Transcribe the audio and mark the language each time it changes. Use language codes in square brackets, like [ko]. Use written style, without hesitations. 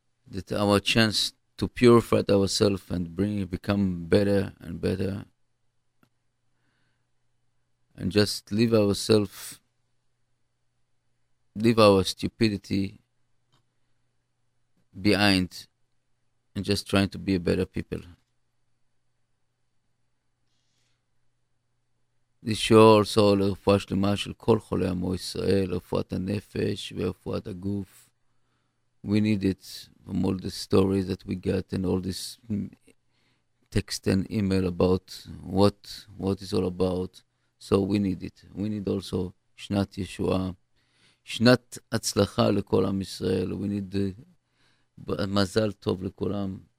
[en] that our chance to purify ourselves and bring become better and better, and just leave ourselves, leave our stupidity behind, and just trying to be a better people. This show also [he] לרפואה שלמה של כל חולי עמו ישראל, לרפואת הנפש ורפואת הגוף. [en] We need it from all the stories that we get and all this text and email about what is all about. So we need it. We need also [he] שנת ישועה, שנת הצלחה לכל עם ישראל. [en] We need [he] מזל טוב לכולם.